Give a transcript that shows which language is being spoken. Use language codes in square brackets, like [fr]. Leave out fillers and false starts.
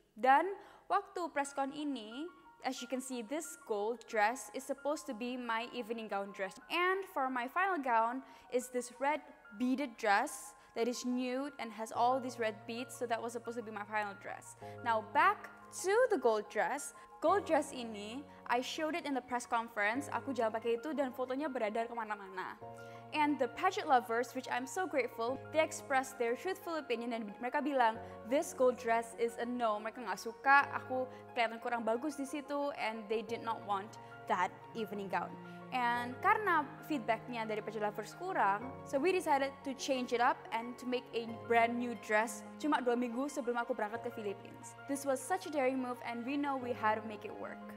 [id] Dan waktu press con ini, [en] as you can see, this gold dress is supposed to be my evening gown dress. And for my final gown is this red beaded dress that is nude and has all these red beads. So that was supposed to be my final dress. Now back to the gold dress. Gold dress ini, I showed it in the press conference. [id] Aku jalan pakai itu dan fotonya beredar kemana-mana. [en] And the pageant lovers, which I'm so grateful, they expressed their truthful opinion and [id] mereka bilang, [en] this gold dress is a no. [id] Mereka nggak suka, aku kelihatan kurang bagus di situ, [en] and they did not want that evening gown. [id] And karena feedbacknya dari pageant lovers kurang, [en] so we decided to change it up and to make a brand new dress [id] cuma 2 minggu sebelum aku berangkat ke Philippines. [en] This was such a daring move and we know we had to make it work.